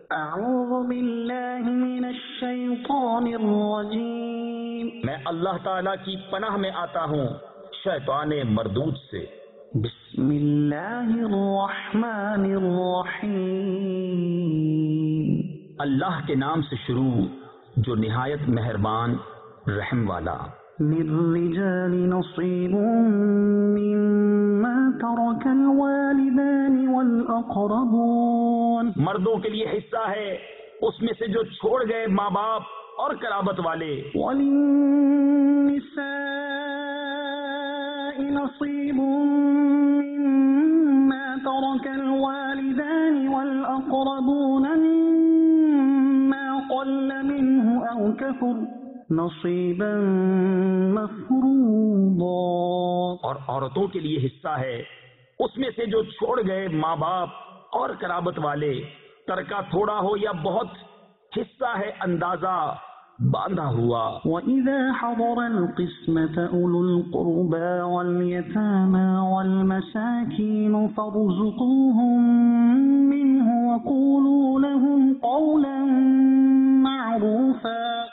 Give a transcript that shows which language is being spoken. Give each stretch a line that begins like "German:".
Arabic: أعوذ بالله من الشيطان الرجيم
Urdu: میں اللہ تعالیٰ کی پناہ میں آتا ہوں شیطان مردود سے
Arabic: بسم اللہ الرحمن الرحیم
Urdu: اللہ کے نام سے شروع جو نہایت مہربان رحم والا
Arabic: للرجال نصيب مما ترك الوالدان والأقربون
Urdu: مردوں کے لیے حصہ ہے اس میں سے جو چھوڑ گئے ماں باپ اور قرابت والے
Arabic: وللنساء نصيب مما ترك الوالدان والأقربون مما قل منه أو كثر نصیبا مفروضا
Urdu: اور عورتوں کے لیے حصہ ہے اس میں سے جو چھوڑ گئے ماں باپ اور قرابت والے ترکہ تھوڑا ہو یا بہت حصہ ہے اندازہ باندھا ہوا
Arabic: وَإِذَا حَضَرَ الْقِسْمَةَ أُولُو الْقُرْبَى وَالْيَتَامَى وَالْمَسَاكِينُ فَارْزُقُوهُمْ مِنْهُ وَقُولُوا لَهُمْ قَوْلًا مَعْرُوفًا